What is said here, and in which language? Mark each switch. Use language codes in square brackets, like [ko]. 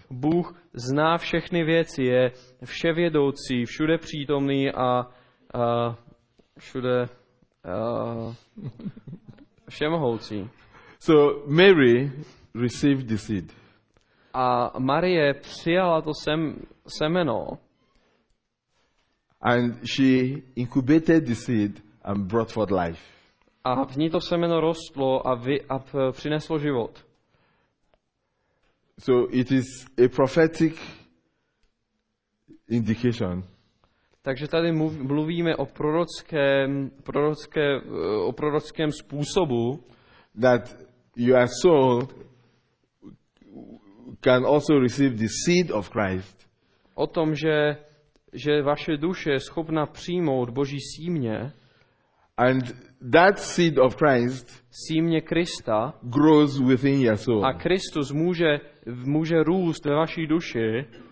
[cs] Bůh zná všechny věci, je vševědoucí, všude přítomný a všude všemohoucí. [en] So Mary received the seed. [cs] A Marie přijala to semeno. [en] And she incubated the seed and brought forth life. [cs] A v ní to semeno rostlo a přineslo život. [en] So it is a prophetic indication. [cs] Takže tady mluvíme o prorockém způsobu, [en] that your soul can also receive the seed of Christ. [cs] O tom, že vaše duše je schopna přijmout Boží símě. [en] And that seed of Christ, [cs] símě Krista, [en] grows within your soul. [cs] A Kristus může růst ve vaší duši,